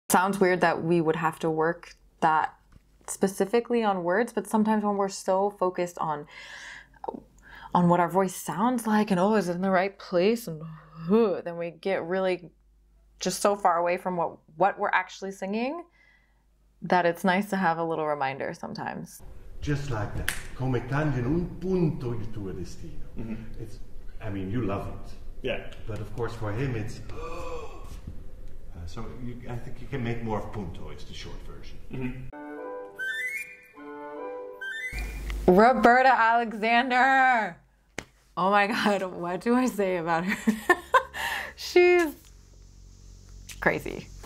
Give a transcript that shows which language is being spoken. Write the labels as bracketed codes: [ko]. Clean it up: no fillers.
[en] Sounds weird that we would have to work that specifically on words, but sometimes when we're so focused on what our voice sounds like and, oh, is it in the right place, and then we get really just so far away from what we're actually singing that it's nice to have a little reminder sometimes. Just like that, [it] come cambia un punto il tuo destino. [en] Mm-hmm. It's, I mean, you love it. Yeah. But of course for him it's, I think you can make more of punto is the short version. Mm-hmm. Roberta Alexander! Oh my God, what do I say about her? She's crazy.